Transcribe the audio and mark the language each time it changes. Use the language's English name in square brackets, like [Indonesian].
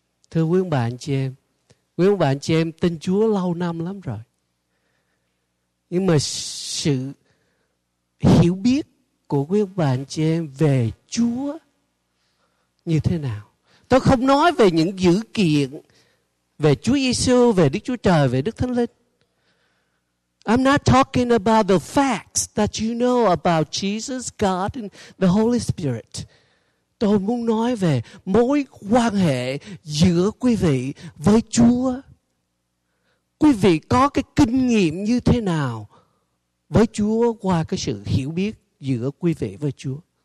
[Vietnamese] Thưa quý ông bà anh chị em, quý ông bà anh chị em tin Chúa lâu năm lắm rồi, nhưng mà sự hiểu biết của quý ông bà anh chị em về Chúa như thế nào? Tôi không nói về những dữ kiện về Chúa Giê-xu, về Đức Chúa Trời, về Đức Thánh Linh. [English] I'm not talking about the facts that you know about Jesus, God, and the Holy Spirit. [Vietnamese] Tôi muốn nói về mối quan hệ giữa quý vị với Chúa. Quý vị có cái kinh nghiệm như thế nào với Chúa qua cái sự hiểu biết giữa quý vị với Chúa?